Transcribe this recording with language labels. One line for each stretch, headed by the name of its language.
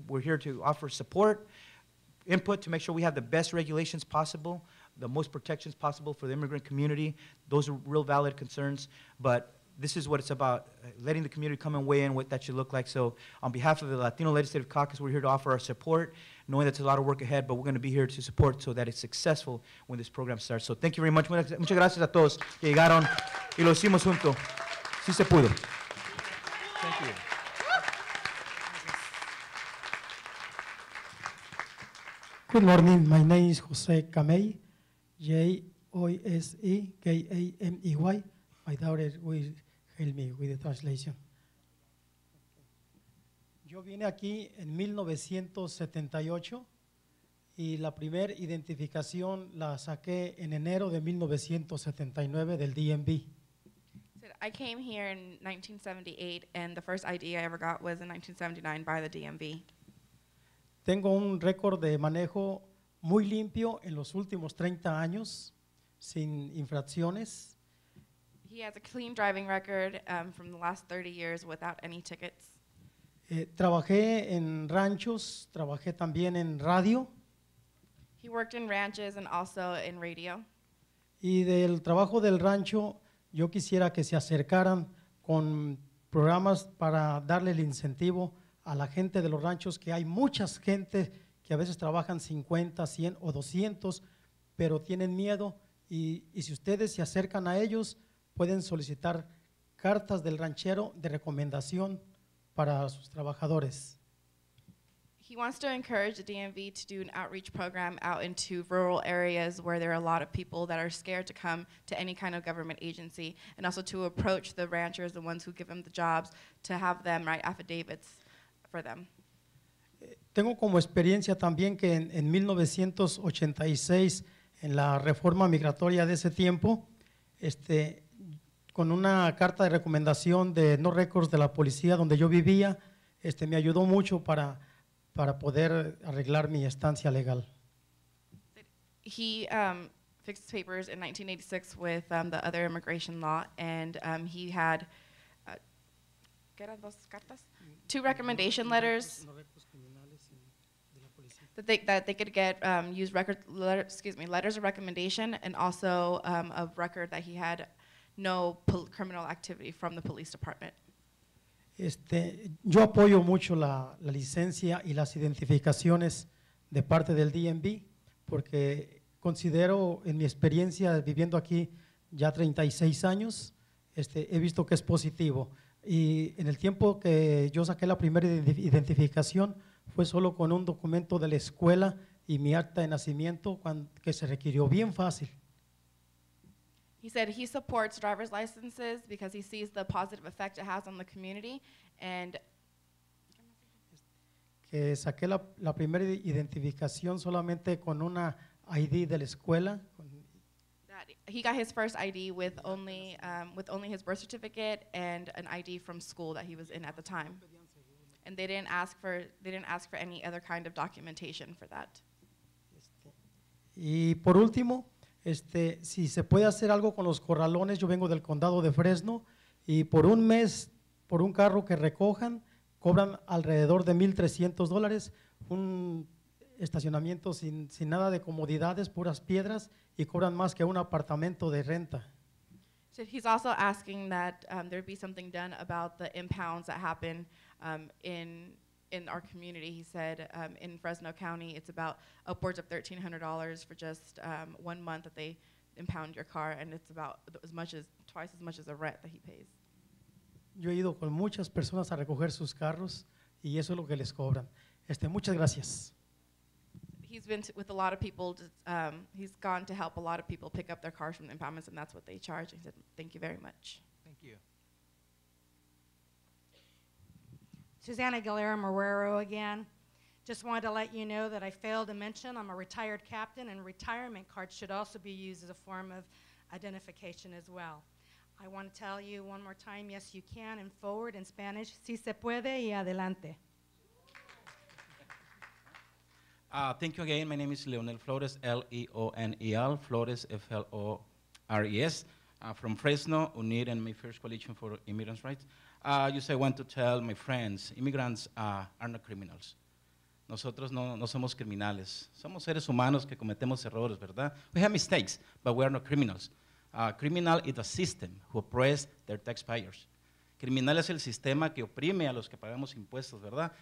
English: We're here to offer support, input to make sure we have the best regulations possible, the most protections possible for the immigrant community. Those are real valid concerns, but this is what it's about, letting the community come and weigh in what that should look like. So on behalf of the Latino Legislative Caucus, we're here to offer our support, knowing that's a lot of work ahead, but we're going to be here to support so that it's successful when this program starts. So thank you very much.
Spanish: Muchas gracias a todos que llegaron y lo hicimos junto. Si se pudo.
English: Thank you. Good morning. My name is Jose Camey, J-O-S-E-K-A-M-E-Y. My daughter will help me with the translation.
Spanish: Yo vine aquí en 1978 y la primer identificación la saqué en enero de 1979 del DMV.
English: I came here in 1978 and the first ID I ever got was in 1979 by the DMV.
Spanish: Tengo un récord de manejo muy limpio en los últimos 30 años sin infracciones.
English: He has a clean driving record from the last 30 years without any tickets.
Spanish: Trabajé en ranchos, trabajé también en radio.
English: He worked in ranches and also in radio.
Spanish: Y del trabajo del rancho, yo quisiera que se acercaran con programas para darle el incentivo a la gente de los ranchos, que hay muchas gente que a veces trabajan 50, 100 o 200, pero tienen miedo, y si ustedes se acercan a ellos, pueden solicitar cartas del ranchero de recomendación para sus trabajadores.
English: He wants to encourage the DMV to do an outreach program out into rural areas where there are a lot of people that are scared to come to any kind of government agency, and also to approach the ranchers, the ones who give them the jobs, to have them write affidavits for them.
Spanish: Tengo como experiencia también que en 1986, en la reforma migratoria de ese tiempo, con una carta de recomendación de
English: No Records
Spanish: de la policía donde yo vivía, me ayudó mucho para poder arreglar mi estancia legal.
English: He fixed papers in 1986 with the other immigration law, and he had two recommendation letters that they could get use record letter, excuse me, letters of recommendation, and also a record that he had no criminal activity from the police department.
Spanish: Yo apoyo mucho la licencia y las identificaciones de parte del DMV porque considero en mi experiencia viviendo aquí ya 36 años, he visto que es positivo. Y en el tiempo que yo saqué la primera identificación fue solo con un documento de la escuela y mi acta de nacimiento que se requirió bien fácil.
English: He said he supports driver's licenses because he sees the positive effect it has on the community. And
Spanish: que saqué la primera identificación solamente con una ID de la escuela.
English: That He got his first ID with only his birth certificate and an ID from school that he was in at the time. And they didn't ask for any other kind of documentation for that.
Spanish: Y por último, si se puede hacer algo con los corralones, yo vengo del condado de Fresno, y por un mes, por un carro que recojan, cobran alrededor de $1,300, un estacionamiento sin nada de comodidades, puras piedras, y cobran más que un apartamento de renta.
English: So he's also asking that there be something done about the impounds that happen in our community. He said in Fresno County, it's about upwards of $1,300 for just 1 month that they impound your car, and it's about twice as much as a rent that he pays.
Spanish: Yo he ido con muchas personas a recoger sus carros, y eso es lo que les cobran. Muchas gracias.
English: He's been with a lot of people. He's gone to help a lot of people pick up their cars from the impoundments, and that's what they charge. He said, thank you very much. Thank you. Susanna Galera Marrero again. Just wanted to let you know that I failed to mention I'm a retired captain, and retirement cards should also be used as a form of identification as well. I want to tell you one more time, yes, you can, and forward in Spanish,
Spanish: si se puede y adelante.
English: Thank you again. My name is Leonel Flores, L-E-O-N-E-L, Flores, F-L-O-R-E-S, from Fresno, UNIR, and my first coalition for immigrants' rights. I want to tell my friends, immigrants are not criminals.
Spanish: Nosotros no somos criminales. Somos seres humanos que cometemos errores, ¿verdad?
English: We have mistakes, but we are not criminals. Criminal is the system who oppresses their taxpayers.
Spanish: Criminal es el sistema que oprime a los que pagamos impuestos, ¿verdad?